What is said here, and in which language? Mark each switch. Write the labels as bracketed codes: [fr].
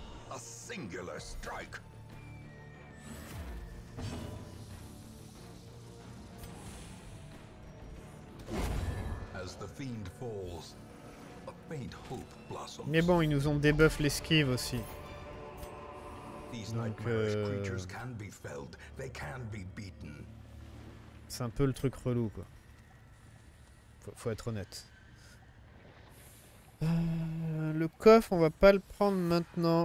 [en] A singular strike. As the fiend falls, a faint hope blossoms. [fr] Mais bon, ils nous ont débuff l'esquive aussi. [en] These nightmarish creatures can be felled, they can be beaten. [fr] C'est un peu le truc relou, quoi. Faut être honnête. Le coffre, on va pas le prendre maintenant.